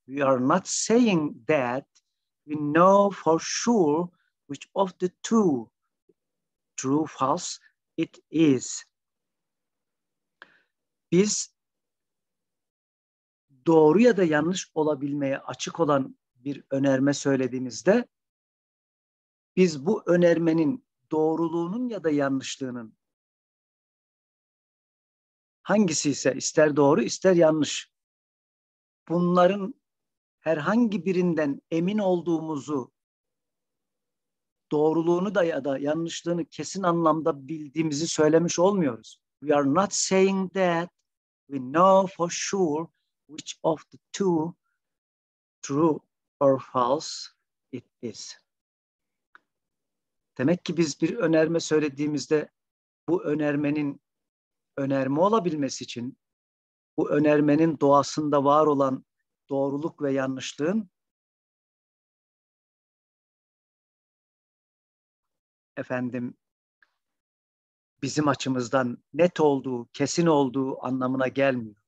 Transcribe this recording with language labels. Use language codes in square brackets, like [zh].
[en] We are not saying that we know for sure which of the two, true, false, it is. [tr] Biz doğru ya da yanlış olabilmeye açık olan bir önerme söylediğimizde, biz bu önermenin doğruluğunun ya da yanlışlığının hangisi ise, ister doğru ister yanlış, bunların herhangi birinden emin olduğumuzu, doğruluğunu da ya da yanlışlığını kesin anlamda bildiğimizi söylemiş olmuyoruz. [en] We are not saying that we know for sure which of the two, true or false, it is. [tr] Demek ki biz bir önerme söylediğimizde bu önermenin önerme olabilmesi için, bu önermenin doğasında var olan doğruluk ve yanlışlığın efendim bizim açımızdan net olduğu, kesin olduğu anlamına gelmiyor.